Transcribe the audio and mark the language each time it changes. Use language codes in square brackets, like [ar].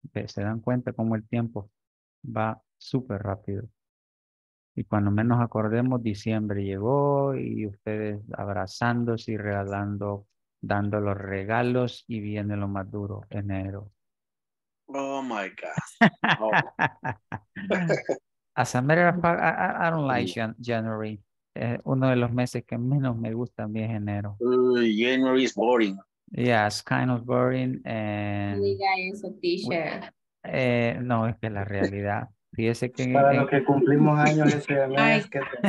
[es] Se dan cuenta cómo el tiempo va súper rápido. Y cuando menos acordemos, diciembre llegó y ustedes abrazándose y regalando, dando los regalos, y viene lo más duro, enero. [en] Oh my God. Oh. As a matter of fact, I don't like January. [es] Uno de los meses que menos me gusta a mí es enero. [en] January is boring. Yeah, it's kind of boring. [es] Diga eso, teacher. No, es que la realidad. Fíjese que para los que cumplimos años ese mes, que